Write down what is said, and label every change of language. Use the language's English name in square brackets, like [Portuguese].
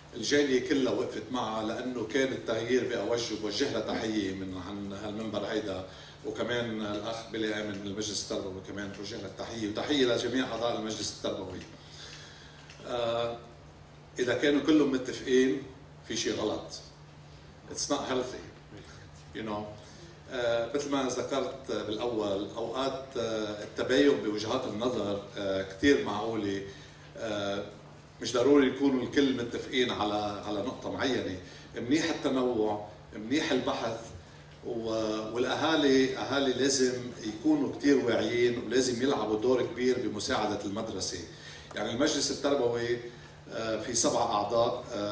[Arabic] الجالية كلها وقفت معها لأنه كان التغيير بأوجه، بوجه لها تحية من عن هالمنبر هيدا، وكمان الأخ بلي آمن من المجلس التربوي كمان بوجه لها التحية، وتحية لجميع أعضاء المجلس التربوي. إذا كانوا كلهم متفقين في شيء غلط. [English] It's not healthy, you know. [Arabic] مثل ما ذكرت بالأول، أوقات التباين بوجهات النظر كتير معقولة، مش ضروري يكون الكل متفقين على نقطة معينة. منيح التنوع، منيح البحث، والأهالي لازم يكونوا كتير واعيين، ولازم يلعبوا دور كبير بمساعدة المدرسة. يعني المجلس التربوي في 7 أعضاء،